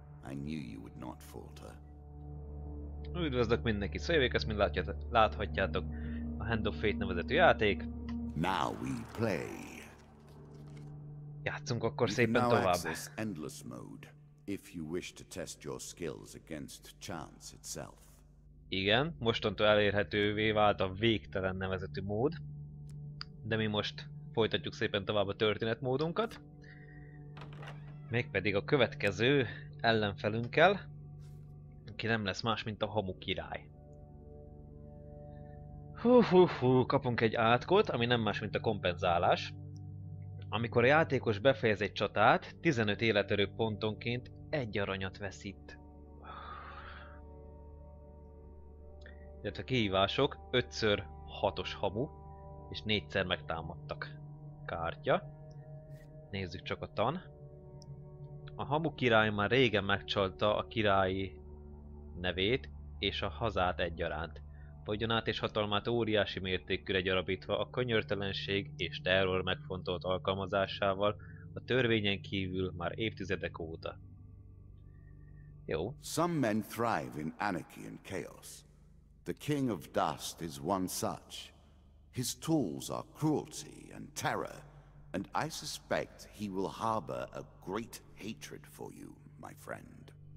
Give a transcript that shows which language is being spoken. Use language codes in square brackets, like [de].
[en] I knew you would not falter. [hu] Üdvözlök mindenki, szóval ezt mind láthatjátok. A Hand of Fate nevezetű játék. [en] Now we play. [hu] Játszunk akkor szépen tovább. [en] Endless mode, if you wish to test your skills against chance itself. [hu] Igen, mostantól elérhetővé vált a végtelen nevezetű mód. De mi most folytatjuk szépen tovább a történetmódunkat. Mégpedig a következő ellenfelünkkel, aki nem lesz más, mint a Hamu király. Kapunk egy átkot, ami nem más, mint a kompenzálás. Amikor a játékos befejez egy csatát, 15 életerő pontonként egy aranyat veszít. Tehát a kihívások 5x6-os Hamu és 4x megtámadtak kártya. Nézzük csak a tan. A Hamu király már régen megcsalta a királyi nevét és a hazát egyaránt. Vagyonát és hatalmát óriási mértékűre gyarabítva a könyörtelenség és terror megfontolt alkalmazásával a törvényen kívül már évtizedek óta. Jó. [en] Some men thrive in anarchy and chaos. The King of Dust is one such. His tools are cruelty and terror, and I suspect he will harbor a great hatred for you, my friend.